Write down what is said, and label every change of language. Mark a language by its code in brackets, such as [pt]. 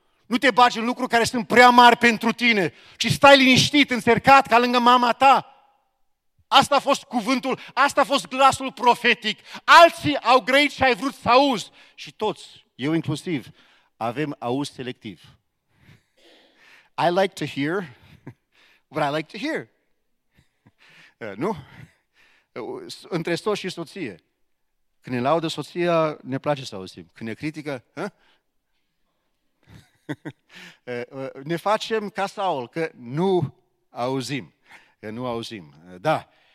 [ro] Nu te bagi în lucruri care sunt prea mari pentru tine, ci stai liniștit, înțercat, ca lângă mama ta. Asta a fost cuvântul, asta a fost glasul profetic. Alții au grăit și ai vrut să auzi. Și toți, eu inclusiv, avem auz selectiv. [en] I like to hear what I like to hear. [ro] Nu? Între soț și soție. Când ne laudă soția, ne place să auzim. Când ne critică, ne facem ca Saul, că nu auzim. Nu auzim. Da.